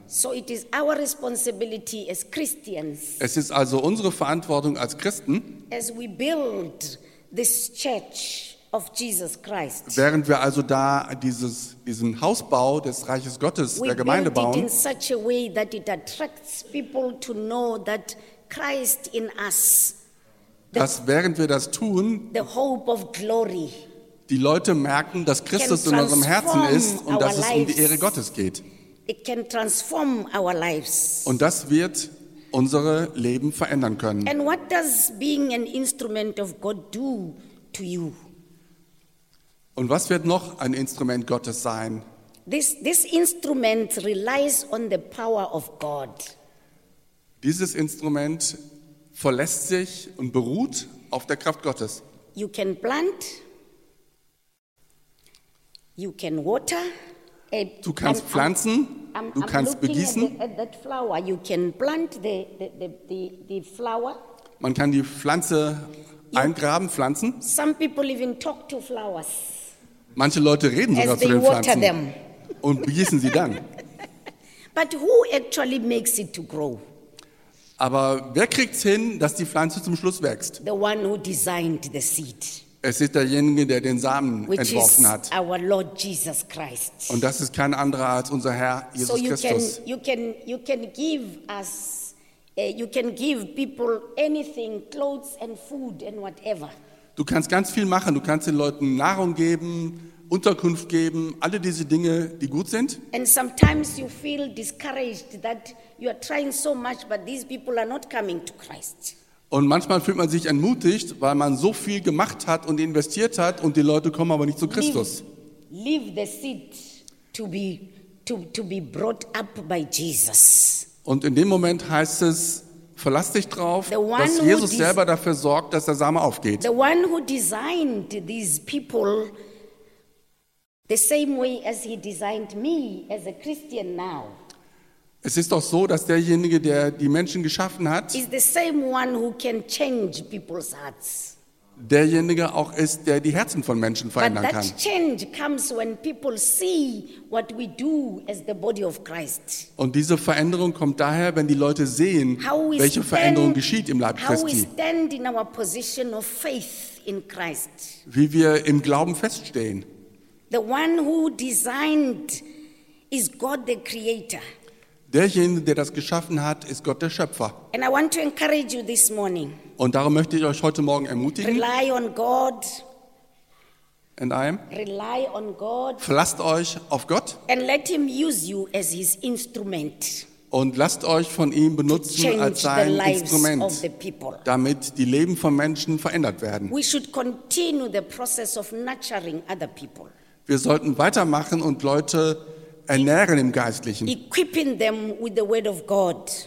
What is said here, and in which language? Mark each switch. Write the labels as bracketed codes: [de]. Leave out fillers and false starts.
[en] So it is our responsibility as Christians, [de] es ist also unsere Verantwortung als Christen, [en] as we build this church of Jesus Christ, [de] während wir also da diesen Hausbau des Reiches Gottes, [en] we [de] der Gemeinde [en] build [de] bauen, [en] it in such a way that it attracts people to know that Christ in us, [de] dass während wir das tun, [en] the hope of glory, [de] die Leute merken, dass Christus in unserem Herzen ist und dass es um die Ehre Gottes geht. [en] It can transform our lives. [de] Und das wird unsere Leben verändern können. [en] And what does being an instrument of God do to you? [de] Und was wird noch ein Instrument Gottes sein? [en] This instrument relies on the power of God. [de] Dieses Instrument verlässt sich und beruht auf der Kraft Gottes. [en] You can plant. You can water. [de] Du kannst pflanzen. Du kannst begießen. [en] You can plant the flower. [de] Man kann die Pflanze eingraben, pflanzen. [en] Some people even talk to flowers. [de] Manche Leute reden sogar zu den Pflanzen und begießen sie dann. [en] But who actually makes it to grow? [de] Aber wer kriegt es hin, dass die Pflanze zum Schluss wächst? [en] The one who designed the seed. [de] Es ist derjenige, der den Samen [en] Which [de] entworfen hat. [en] Is our Lord Jesus Christ. [de] Und das ist kein anderer als unser Herr Jesus [en] so you [de] Christus. [en] You can give us, you can give people anything, clothes and food and whatever. [de] Du kannst ganz viel machen. Du kannst den Leuten Nahrung geben, Unterkunft geben, alle diese Dinge, die gut sind. [en] And sometimes you feel discouraged that you are trying so much, but these people are not coming to Christ. [de] Und manchmal fühlt man sich entmutigt, weil man so viel gemacht hat und investiert hat und die Leute kommen aber nicht zu Christus. [en] Leave the seed to be brought up by Jesus. [de] Und in dem Moment heißt es, verlass dich drauf, dass Jesus selber dafür sorgt, dass der Same aufgeht. [en] The one who designed these people the same way as he designed me as a Christian now. [de] Es ist doch so, dass derjenige, der die Menschen geschaffen hat, [en] is the same one who can change people's hearts. [de] Derjenige auch ist, der die Herzen von Menschen verändern [en] But that [de] kann. [en] Change comes when people see what we do as the body of Christ. [de] Und diese Veränderung kommt daher, wenn die Leute sehen, welche Veränderung geschieht im Leib Christi. [en] How we stand in our position of faith in Christ. [de] Wie wir im Glauben feststehen. [en] The one who designed is God the creator. [de] Derjenige, der das geschaffen hat, ist Gott der Schöpfer. [en] And I want to encourage you this morning. [de] Und darum möchte ich euch heute Morgen ermutigen. [en] Rely on God. And I am. Rely on God. [de] Verlasst euch auf Gott. [en] And let him use you as his instrument. [de] Und lasst euch von ihm benutzen als sein Instrument, damit die Leben von Menschen verändert werden. [en] We should continue the process of nurturing other people. [de] Wir sollten weitermachen und Leute ernähren im Geistlichen, [en] equipping them with the word of God,